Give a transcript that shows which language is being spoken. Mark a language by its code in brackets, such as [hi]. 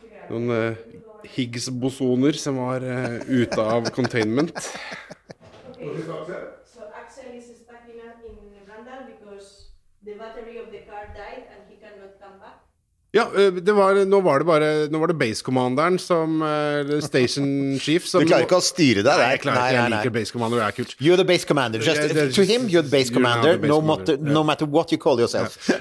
[no] Noen Higgs-bosoner som var ute av containment. [en] So Axel is stuck in Randall because the battery of the car died and he cannot come back. [no] Ja, det var nå var det base commanderen som station chief som Du klarer ikke å styre det der. Nei, jeg liker base commander, det kult. [en] You're the base commander. Just to him you're the base commander, no matter what you call yourself.